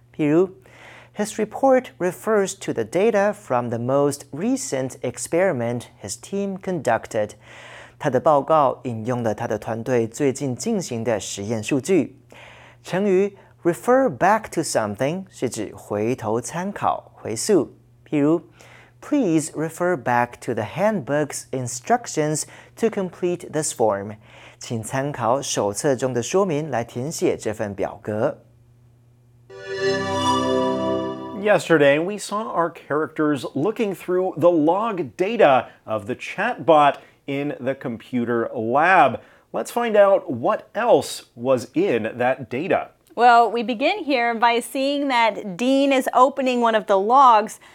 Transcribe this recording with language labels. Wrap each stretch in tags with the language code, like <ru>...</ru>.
<zh>譬如</zh> <en>，His report refers to the data from the most recent experiment his team conducted。</en> <zh>他的报告引用了他的团队最近进行的实验数据。成语</zh> <en>refer back to something</en> <zh>是指回头参考、回溯。譬如。</zh> <en>Please refer back to the handbook's instructions to complete this form.</en> <zh>请参考手册中的说明来填写这份表格。</zh> <en>Yesterday, we saw our characters looking through the log data of the chatbot in the computer lab. Let's find out what else was in that data. Well, we begin here by seeing that Dean is opening one of the logs.</en>